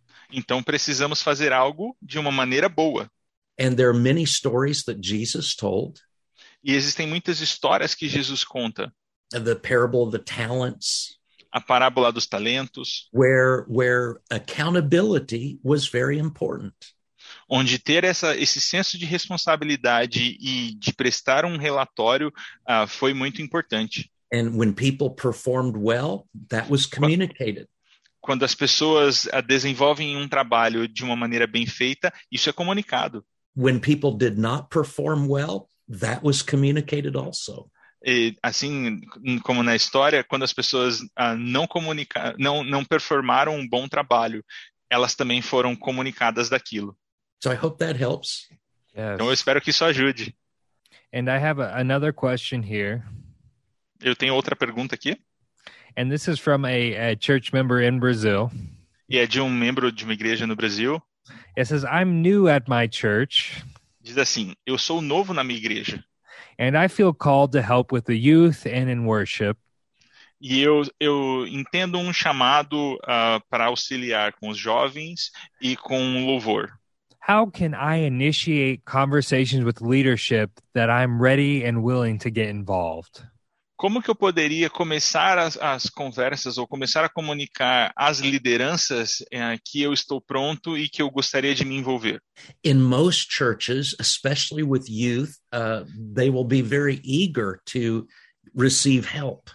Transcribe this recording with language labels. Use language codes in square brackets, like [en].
[pt] Então precisamos fazer algo de uma maneira boa. [en] And there are many stories that Jesus told. [pt] E existem muitas histórias que Jesus conta. [en] The parable of the talents. [pt] A parábola dos talentos. [en] Where accountability was very important. [pt] Onde ter esse senso de responsabilidade e de prestar um relatório foi muito importante. [en] And when people performed well, that was communicated. [pt] Quando as pessoas desenvolvem um trabalho de uma maneira bem feita, isso é comunicado. [en] When people did not perform well, that was communicated also. [pt] E assim como na história, quando as pessoas não performaram um bom trabalho, elas também foram comunicadas daquilo. [en] So I hope that helps. Yes. [pt] Então eu espero que isso ajude. [en] And I have another question here. [pt] Eu tenho outra pergunta aqui. [en] And this is from a church member in Brazil. [pt] E é de um membro de uma igreja no Brasil. [en] It says, I'm new at my church. [pt] Diz assim, eu sou novo na minha igreja. [en] And I feel called to help with the youth and in worship. [pt] E eu entendo um chamado para auxiliar com os jovens e com louvor. [en] How can I initiate conversations with leadership that I'm ready and willing to get involved? [pt] Como que eu poderia começar as conversas ou começar a comunicar às lideranças que eu estou pronto e que eu gostaria de me envolver? [en] In most churches, especially with youth, they will be very eager to receive help.